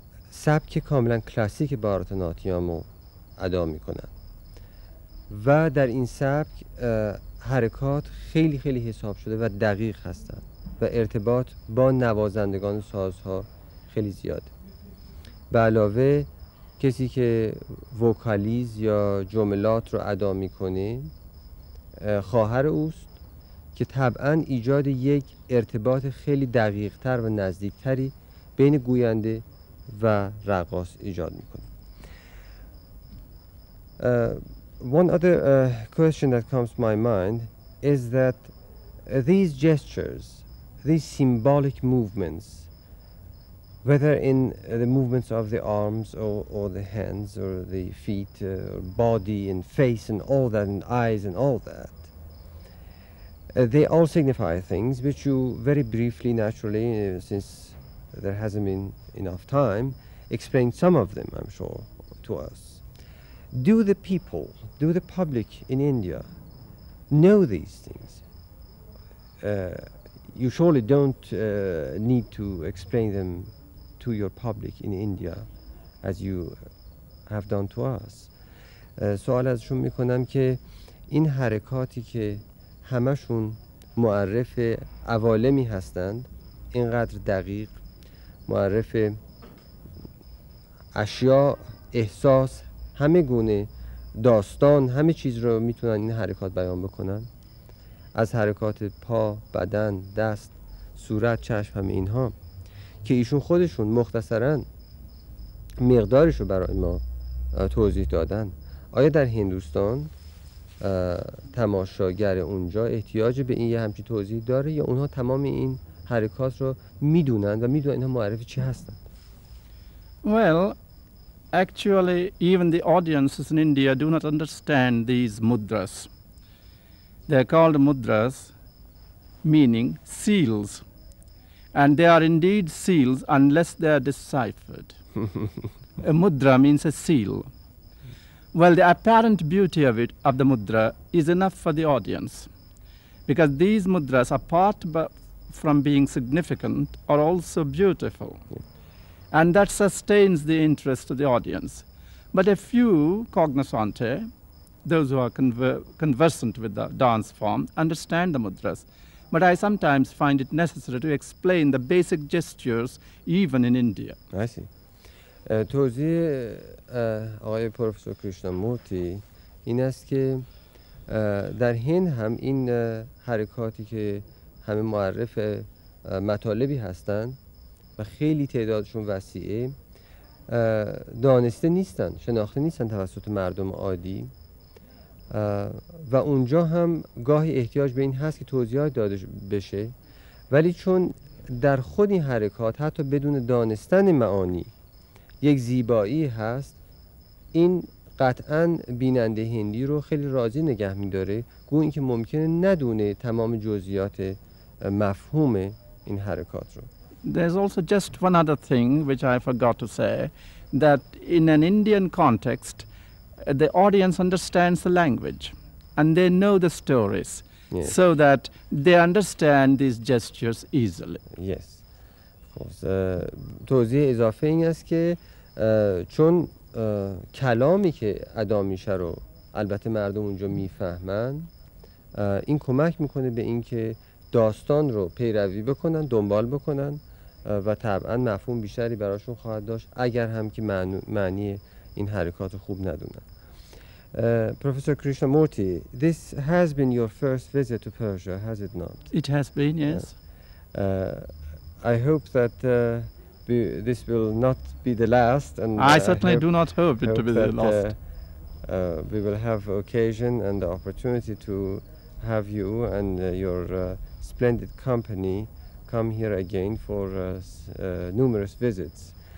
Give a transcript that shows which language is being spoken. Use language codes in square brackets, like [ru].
[fa] سبک کاملا کلاسیک بارتناتیام رو ادا میکنن و در این سبک حرکات خیلی خیلی حساب شده و دقیق هستن و ارتباط با نوازندگان سازها خیلی زیاده به علاوه کسی که وکالیز یا جملات رو ادا میکنه خواهر اوست که طبعا ایجاد یک ارتباط خیلی دقیقتر و نزدیکتری بین گوینده و رقاص ایجاد میکنه. [en] One other question that comes to my mind is that these gestures, these symbolic movements, whether in the movements of the arms or the hands or the feet or body and face and all that and eyes and all that, they all signify things which you very briefly, naturally, since there hasn't been enough time, explained some of them, I'm sure, to us. Do the people, do the public in India know these things? You surely don't need to explain them to your public in India, as you have done to us. [fa] سوال ازشون میکنم که این حرکاتی که همشون معرف عوالمی هستند، اینقدر دقیق معرف اشیا، احساس، همه گونه داستان، همه چیز رو میتونن این حرکات بیان بکنن. از حرکات پا، بدن، دست، صورت، چشم، همه اینها. که ایشون خودشون مختصراً مقدارش رو برای ما توضیح دادن آیا در هندوستان تماشاگر اونجا احتیاج به این یه همچین توضیح داره یا اونها تمام این حرکات رو میدونن و میدونن اینها معرفی چی هستن؟ [en] Well, actually, even the audiences in India do not understand these mudras. They are called mudras, meaning seals. And they are indeed seals unless they are deciphered. A mudra means a seal. Well, the apparent beauty of it, of the mudra, is enough for the audience. Because these mudras, apart from being significant, are also beautiful. And that sustains the interest of the audience. But a few cognoscenti, those who are conversant with the dance form, understand the mudras. But I sometimes find it necessary to explain the basic gestures even in India. I see. [fa] توضیح آقای پروفسور کریشنامورتی این است که در هند هم این حرکاتی که همه معرف مطالبی هستند و خیلی تعدادشون وسیعه دانسته نیستن، شناخته نیستن توسط مردم عادی. و اونجا هم گاهی احتیاج به این هست که توضیحات داده بشه ولی چون در خود این حرکات حتی بدون دانستن معانی یک زیبایی هست این قطعا بیننده هندی رو خیلی راضی نگه می‌داره گویی که ممکنه ندونه تمام جزئیات مفهوم این حرکات رو [en] There's also just one other thing which I forgot to say that in an Indian context the audience understands the language and they know the stories yes. so that they understand these gestures easily. Yes, of course. [fa] توضیح اضافه این است که چون کلامی که ادا میشه رو البته مردم اونجا میفهمن این کمک میکنه به این که داستان رو پیروی بکنن دنبال بکنن و طبعا مفهوم بیشتری براشون خواهد داشت اگر هم که معنی این حرکات خوب ندونن. [en] Professor Krishnamurti, this has been your first visit to Persia, has it not? It has been, yes. I hope that this will not be the last. And I certainly do not hope it to be the last. We will have occasion and the opportunity to have you and your splendid company come here again for numerous visits.